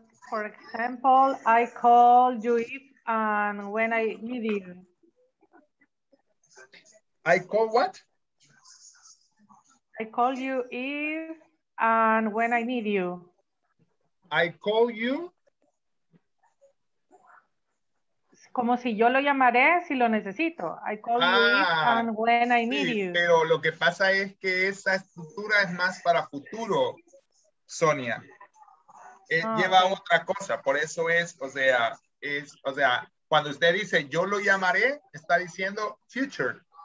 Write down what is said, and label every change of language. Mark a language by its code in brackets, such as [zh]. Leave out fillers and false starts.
[en] For example, I call you if and when I need you. I call what? I call you if and when I need you. I call you. [es] Como si yo lo llamaré si lo necesito. [en] I call you if and when I need you. [es] Pero lo que pasa es que esa estructura es más para futuro, Sonia. Lleva otra cosa. Por eso es, o sea, cuando usted dice yo lo llamaré, está diciendo future.